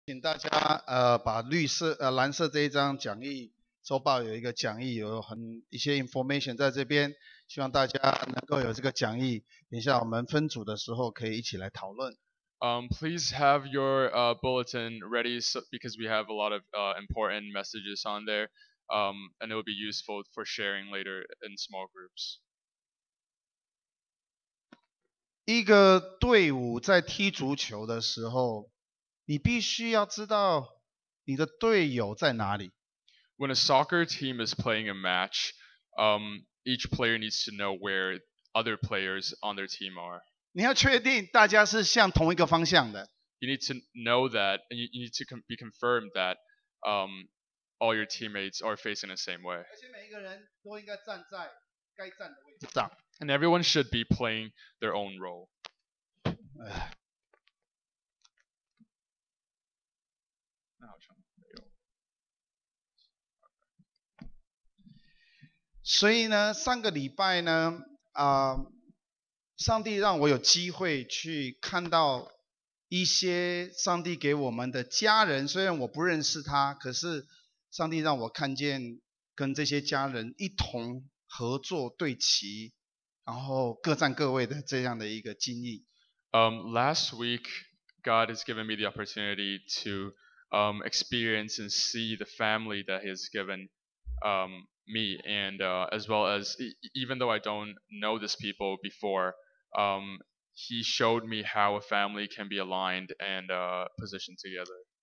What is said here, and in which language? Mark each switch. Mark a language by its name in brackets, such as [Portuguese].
[Chinese] 请大家把绿色蓝色这一张讲义周报有一个讲义，有很一些 information 在这边，希望大家能够有这个讲义，等一下我们分组的时候可以一起来讨论。 [English] Please have your bulletin ready so, because we have a lot of important messages on there, and it will be useful for sharing later in small groups. [Chinese] 一个队伍在踢足球的时候，你必须要知道你的队友在哪里。 [English] When a soccer team is playing a match, each player needs to know where other players on their team are. [Chinese] 你要确定大家是向同一个方向的。 [English] You need to know that, and you need to be confirmed that, all your teammates are facing the same way. [Chinese] 而且每一个人都应该站在该站的位置上。 [English] And everyone should be playing their own role. [Chinese] 所以呢，上个礼拜呢，上帝让我有机会去看到一些上帝给我们的家人，虽然我不认识他，可是上帝让我看见跟这些家人一同合作对齐，然后各站各位的这样的一个经历。 [English] Last week, God has given me the opportunity to experience and see the family that He has given me, and as well as, even though I don't know these people before, He showed me how a family can be aligned and positioned together.